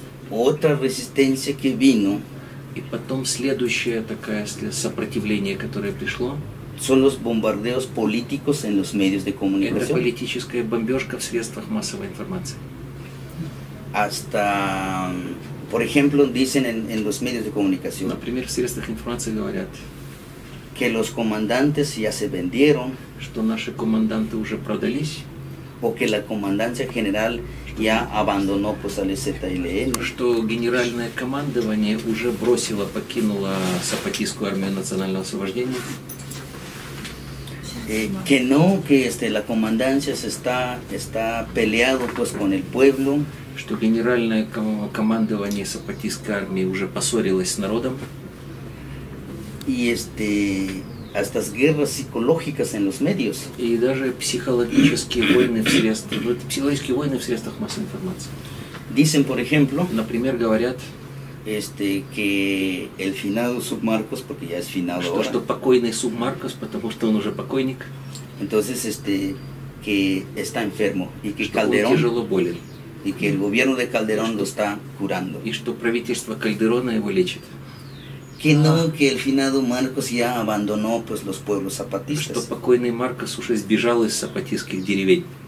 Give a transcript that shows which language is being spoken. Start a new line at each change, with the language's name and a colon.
Spanish: otra resistencia que vino.
Russian: И потом следующее такое сопротивление, которое пришло.
Spanish: Son los bombardeos políticos en los medios de comunicación.
Russian: Это политическая бомбежка в средствах массовой информации.
Spanish: Hasta, por ejemplo, dicen en los medios de comunicación.
Russian: Например, в средствах информации говорят.
Spanish: Que los comandantes ya se vendieron.
Russian: Что наши команданты уже продались.
Spanish: O que la comandancia general ya abandonó pues al ZLN.
Russian: Что генеральное командование уже бросило, покинуло Сапатистскую армию национального освобождения.
Spanish: Que no, que la comandancia se está peleado pues con el pueblo.
Russian: Что генеральное командование Сапатистской армии уже поссорилось с народом.
Spanish: Y a estas guerras psicológicas en los medios.
Russian: И даже психологические войны в средствах, ну, психологические войны в средствах массовой информации.
Spanish: Dicen, por ejemplo,
Russian: например, говорят,
Spanish: que el finado Submarcos, porque ya es finado.
Russian: Что,
Spanish: ahora,
Russian: что покойный Submarcos, потому что он уже покойник.
Spanish: Entonces, que está enfermo y que
Russian: что
Spanish: Calderón,
Russian: он тяжело болен.
Spanish: Y que el gobierno de Calderón lo está curando.
Russian: И что правительство Кальдерона его лечит.
Spanish: Que no, que el finado Marcos ya abandonó pues los pueblos zapatistas.
Russian: Что покойный Маркос уже сбежал из сапатистских деревень.